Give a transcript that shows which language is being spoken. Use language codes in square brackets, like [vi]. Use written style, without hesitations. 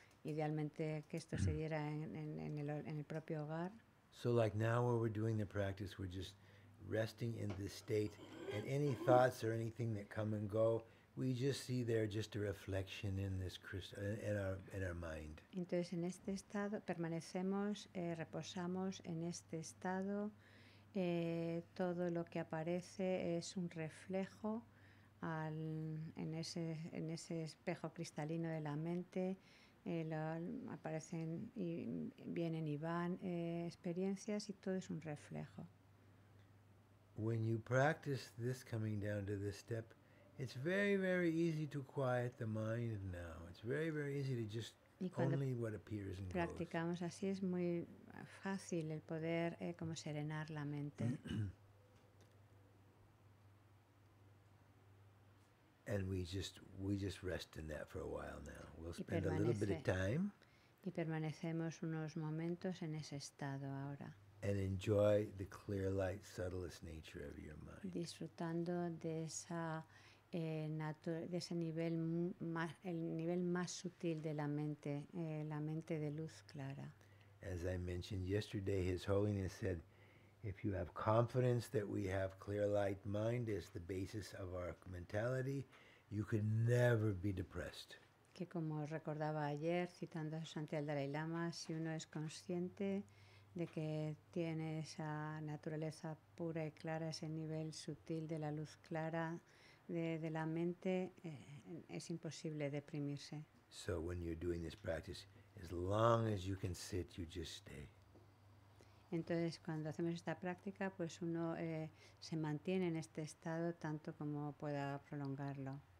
[es] Idealmente que esto se diera en el propio hogar. [en] So like now where we're doing the practice, we're just resting in this state, and any thoughts or anything that come and go, we just see there just a reflection in this crystal in our mind. [es] Entonces en este estado permanecemos, reposamos en este estado. Todo lo que aparece es un reflejo en ese espejo cristalino de la mente. Aparecen y vienen y van experiencias y todo es un reflejo. [en] When you practice this coming down to this step, it's very, very easy to quiet the mind now. It's very, very easy to just only what appears and goes. [es] Practicamos así, es muy fácil el poder como serenar la mente. [en] And we just rest in that for a while now. We'll spend a little bit of time. [es] Y permanecemos unos momentos en ese estado ahora. [en] And enjoy the clear light, subtlest nature of your mind. [es] Disfrutando de esa de ese nivel el nivel más sutil de la mente de luz clara. [en] As I mentioned yesterday, His Holiness said, if you have confidence that we have clear light mind as the basis of our mentality, you could never be depressed. [es] Que como recordaba ayer, citando a Santi al Dalai Lama, si uno es consciente de que tiene esa naturaleza pura y clara, ese nivel sutil de la luz clara, de la mente, es imposible deprimirse. [en] So when you're doing this practice, as long as you can sit, you just stay. [es] Entonces, cuando hacemos esta práctica, pues uno se mantiene en este estado tanto como pueda prolongarlo.